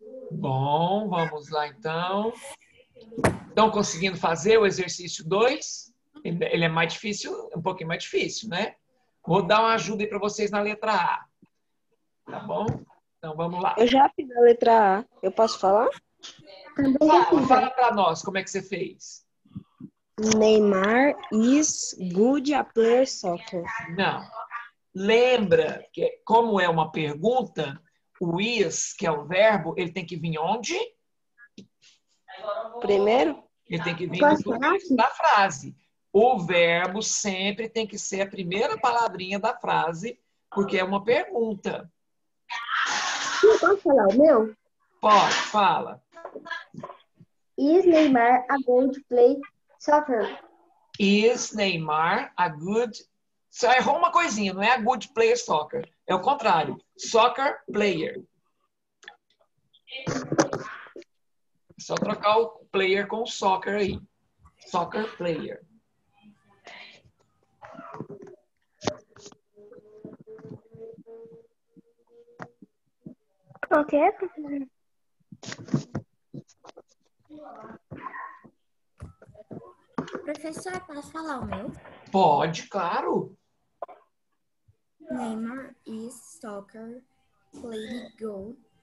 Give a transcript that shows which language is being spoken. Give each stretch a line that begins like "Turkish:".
Portuguese: Bom, vamos lá então. Estão conseguindo fazer o exercício 2? Ele é mais difícil, um pouquinho mais difícil, né? Vou dar uma ajuda aí para vocês na letra A. Tá bom? Então vamos lá. Eu já fiz a letra A. Eu posso falar? Fala para nós como é que você fez.
English: Neymar is good at player soccer.
Portuguese: Não. Lembra que como é uma pergunta, o is, que é o verbo, ele tem que vir onde? Primeiro? Ele tem que vir na frase. O verbo sempre tem que ser a primeira palavrinha da frase, porque é uma pergunta. Posso falar o meu? Pode, fala.
English: Is Neymar a good play soccer? Is Neymar a good...
Portuguese: Só errou uma coisinha, não é
English: a good player soccer.
Portuguese: É o contrário.
English: Soccer player.
Portuguese: É só trocar o player com o soccer aí.
English: Soccer player. Ok.
Portuguese: Professor, posso falar o meu? Pode, claro.
English: Neymar is soccer player good.